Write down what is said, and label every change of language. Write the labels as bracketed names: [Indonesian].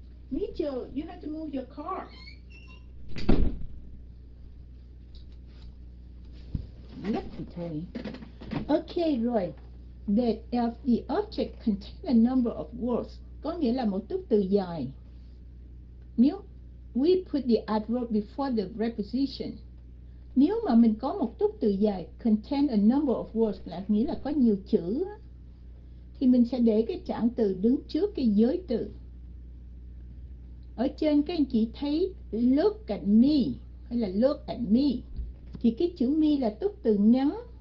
[English] You have to move your car. Let me tell you. Okay, rồi. That if the object contains a number of words, [Vietnamese] có nghĩa là một tốp từ dài. Nếu [English] we put the adverb before the preposition. [Vietnamese] Nếu mà mình có một tốp từ dài [English] contain a number of words, [Vietnamese] là nghĩa là có nhiều chữ, thì mình sẽ để cái trạng từ đứng trước cái giới từ. Ở trên các anh chị thấy [English] look at me [Vietnamese] hay là look at me, thì cái chữ me là tốp từ ngắn.